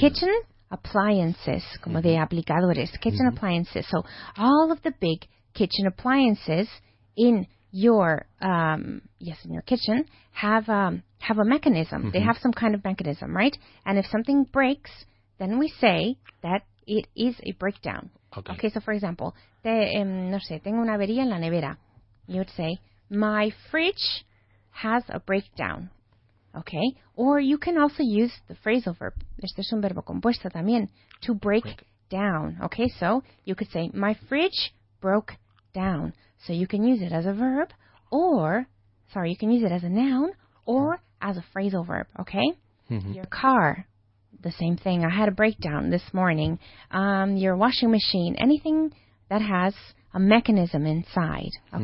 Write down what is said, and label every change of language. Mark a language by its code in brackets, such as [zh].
[en] Kitchen appliances, como mm-hmm. de aplicadores. Kitchen mm-hmm. appliances. So all of the big kitchen appliances in your in your kitchen have a mechanism. Mm-hmm. They have some kind of mechanism, right? And if something breaks, then we say that it is a breakdown. Okay. [es] So for example, tengo una avería en la nevera. [en] You would say my fridge has a breakdown. Okay, or you can also use the phrasal verb. [es] Este es un verbo compuesto también, to break down. [en] Okay, so you could say, my fridge broke down. So you can use it as a verb, you can use it as a noun, or as a phrasal verb, okay? Mm-hmm. Your car, the same thing. I had a breakdown this morning. Your washing machine, anything that has a mechanism inside, okay?